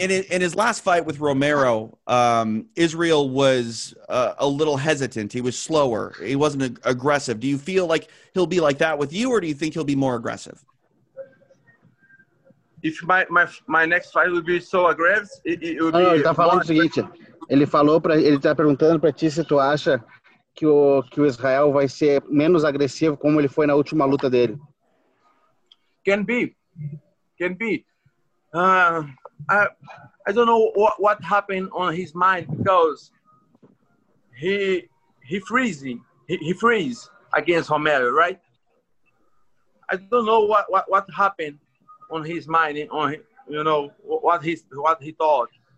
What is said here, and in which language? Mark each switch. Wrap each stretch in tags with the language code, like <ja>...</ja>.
<en>In his last fight with Romero, Israel was a little hesitant. He was slower. He wasn't aggressive. Do you feel like he'll be like that with you, or do you think he'll be more aggressive? If my next fight would be so aggressive, it would be...</en> <pt>No, ele está falando o seguinte. Ele falou para... Ele está perguntando para ti se tu acha que o Israel vai ser menos agressivo como ele foi na última luta dele.</pt> <en>Can be. I don't know what happened on his mind because he freeze against Romero, right? I don't know what happened on his mind on you know what he thought.</en>